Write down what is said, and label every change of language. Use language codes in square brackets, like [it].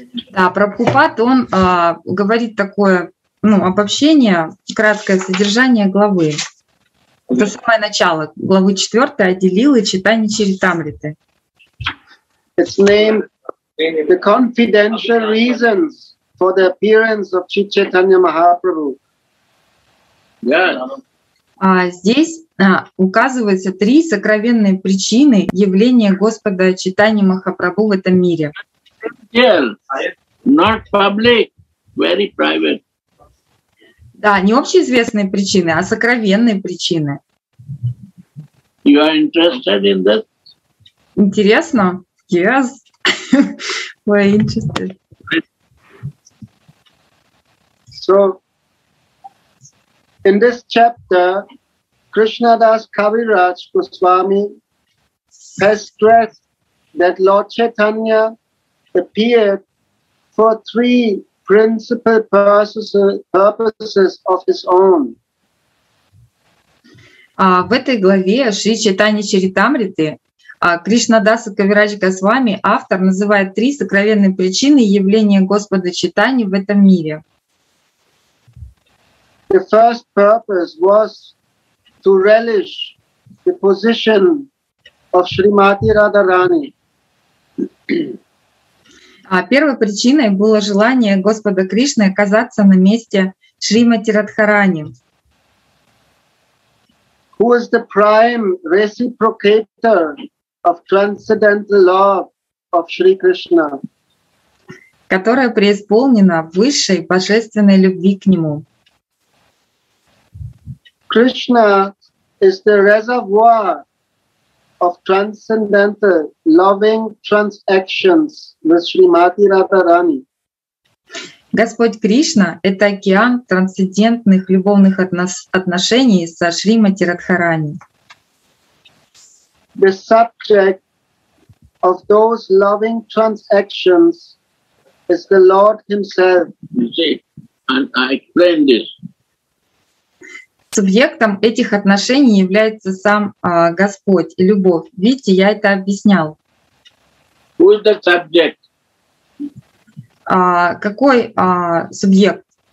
[ru] Да, Прабхупад, он говорит такое. Ну, обобщение, краткое содержание главы. Это самое начало. Главы 4 отделила читание Чаритамриты. [en] It's named the confidential reasons for the appearance of Sri Chaitanya Mahaprabhu. Yeah. [ru] Здесь указываются три сокровенные причины явления Господа Чайтаньи Махапрабху в этом мире. [en] Not public, very private. [ru] Да, не общеизвестные причины, а сокровенные причины. [en] You are interested in that? [ru] Интересно? [en] Yes. We are interested. So, in this chapter, Krishnadas Kaviraj Goswami has stressed that Lord Chaitanya appeared for three principal purposes of his own. [ru] В этой главе Шри Чайтанья Чаритамриты Кришнадаса Кавираджа Госвами автор называет три сокровенные причины явления Господа Чайтаньи в этом мире. [en] The first purpose was to relish the position of Shrimati Radharani. [ru] А первой причиной было желание Господа Кришны оказаться на месте Шримати Радхарани. [en] Who is the prime reciprocator of transcendental love of Shri Krishna? [ru] Которая преисполнена высшей божественной любви к нему. [en] Krishna is the reservoir of transcendental loving transactions with Shrimati Radharani. [ru] Господь Кришна — это океан трансцендентных любовных отношений со Шримати Радхарани. [en] The subject of those loving transactions is the Lord Himself. You see, and I explain this. [ru] Субъектом этих отношений является сам Господь и любовь. Видите, я это объяснял. [en] Who is the subject? [ru] Какой субъект?